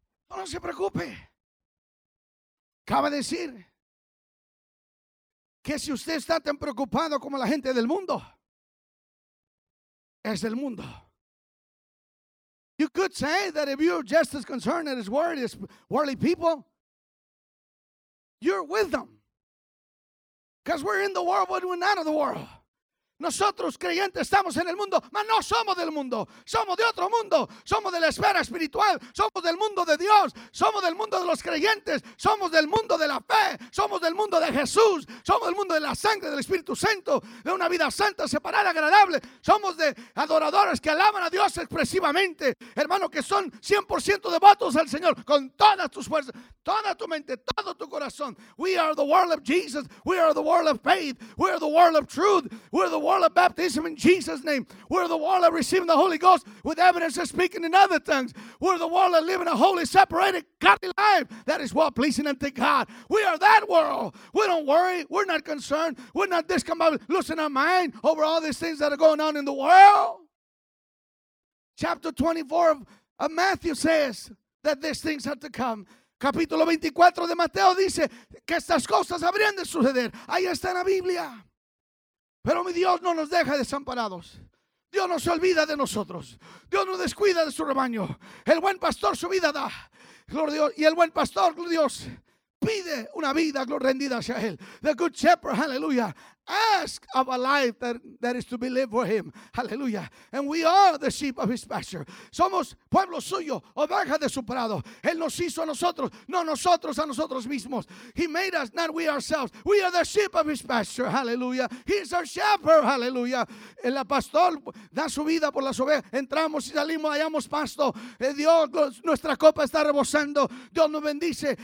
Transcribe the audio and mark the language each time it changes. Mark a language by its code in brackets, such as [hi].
[es] No se preocupe. Cabe decir que si usted está tan preocupado como la gente del mundo, es del mundo. [en] You could say that if you're just as concerned and as worried as worldly people, you're with them. Because we're in the world, but we're not of the world. [es] Nosotros creyentes estamos en el mundo, mas no somos del mundo, somos de otro mundo, somos de la esfera espiritual, somos del mundo de Dios, somos del mundo de los creyentes, somos del mundo de la fe, somos del mundo de Jesús, somos del mundo de la sangre del Espíritu Santo, de una vida santa, separada, agradable, somos de adoradores que alaban a Dios expresivamente, hermano, que son 100% devotos al Señor con todas tus fuerzas, toda tu mente, todo tu corazón. [en] We are the world of Jesus, we are the world of faith, we are the world of truth, we are the world of baptism in Jesus' name. We're the world of receiving the Holy Ghost with evidence of speaking in other tongues. We're the world of living a holy, separated, godly life that is well pleasing unto God. We are that world. We don't worry. We're not concerned. We're not discombobulated. Loosen our mind over all these things that are going on in the world. Chapter 24 of Matthew says that these things have to come. [es] Capítulo 24 de Mateo dice que estas cosas habrían de suceder. Ahí está en la Biblia. Pero mi Dios no nos deja desamparados. Dios no se olvida de nosotros. Dios no descuida de su rebaño. El buen pastor su vida da. Gloria a Dios. Y el buen pastor, gloria a Dios, pide una vida rendida hacia él. [en] The good shepherd, hallelujah, ask of a life that is to be lived for him. Hallelujah. And we are the sheep of his pasture. [es] Somos pueblo suyo, oveja de su prado. Él nos hizo a nosotros, no nosotros a nosotros mismos. [en] He made us, not we ourselves. We are the sheep of his pasture. Hallelujah. He is our shepherd. Hallelujah. [es] El pastor da su vida por las ovejas. Entramos y salimos, hallamos pasto. Dios, nuestra copa está rebosando. Dios nos bendice.